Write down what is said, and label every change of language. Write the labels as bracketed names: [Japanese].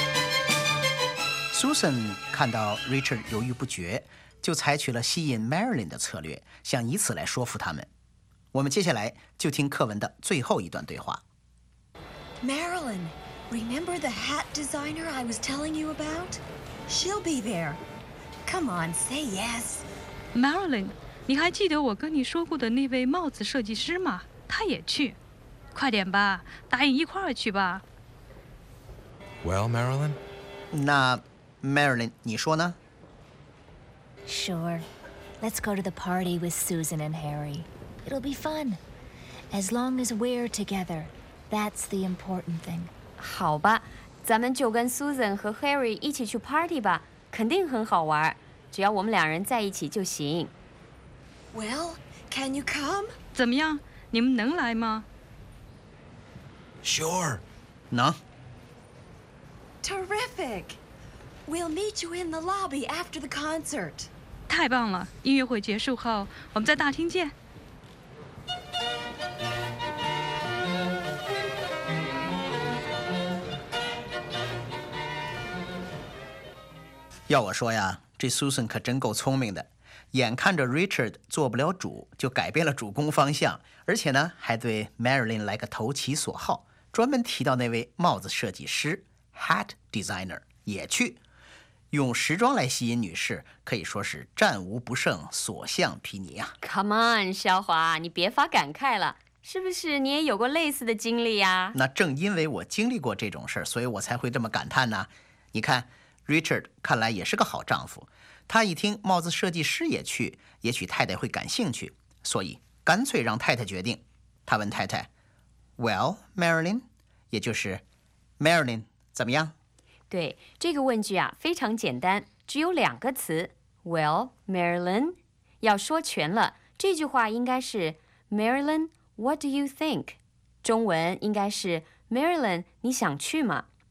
[Chinese] 我们大概或者可能已经有安排了。Susan 看到 Richard 犹豫不决，就采取了吸引 Marilyn 的策略，想以此来说服他们。我们接下来就听课文的最后一段对话。 [English] Marilyn, remember the hat designer I was telling you about? She'll be there. Come on, say yes. [Chinese] Marilyn, 你还记得我跟你说过的那位帽子设计师吗? 他也去。快点吧, 答应一块儿去吧。 [English] Well, Marilyn? [Chinese] 那, Marilyn, 你说呢? [English] Sure. Let's go to the party with Susan and Harry. It'll be fun. As long as we're together. That's the important thing. [Chinese] 好吧，咱们就跟 Susan 和 Harry 一起去 party 吧，肯定很好玩，只要我们两人在一起就行。 [English] Well, can you come? [Chinese] 怎么样，你们能来吗？ [English] Sure. [Chinese] 能。 [English] Terrific. We'll meet you in the lobby after the concert. [Chinese] 太棒了，音乐会结束后，我们在大厅见。要我说呀，这Susan可真够聪明的，眼看着 Richard 做不了主，就改变了主攻方向，而且呢，还对 Marilyn 来个投其所好，专门提到那位帽子设计师 [English] hat designer [Chinese] 也去，用时装来吸引女士，可以说是战无不胜，所向披靡呀。 [English] Come on， [Chinese] 肖华，你别发感慨了，是不是你也有过类似的经历呀？那正因为我经历过这种事儿，所以我才会这么感叹呢。你看。 Richard 看来也是个好丈夫，他一听帽子设计师也去，也许太太会感兴趣，所以干脆让太太决定。他问太太 ， [English] Well, Marilyn， [Chinese] 也就是 Marilyn 怎么样？对，这个问句啊非常简单，只有两个词， [English] Well, Marilyn， [Chinese] 要说全了，这句话应该是 Marilyn, [English] what do you think？ [Chinese] 中文应该是 Marilyn， 你想去吗？